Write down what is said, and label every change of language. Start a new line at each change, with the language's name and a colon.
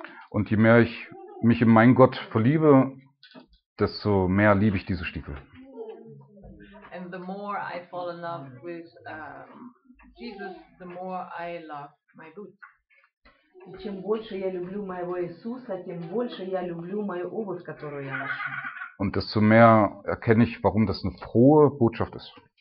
German: Und je mehr ich mich in meinen Gott verliebe, desto mehr liebe ich diese Stiefel.
English: And the more I fall in love with Jesus, the more I love my boots.
Russian: И чем больше я люблю моего Иисуса, тем больше я люблю мою обувь, которую я ношу.
German: Und desto mehr erkenne ich, warum das eine frohe Botschaft ist.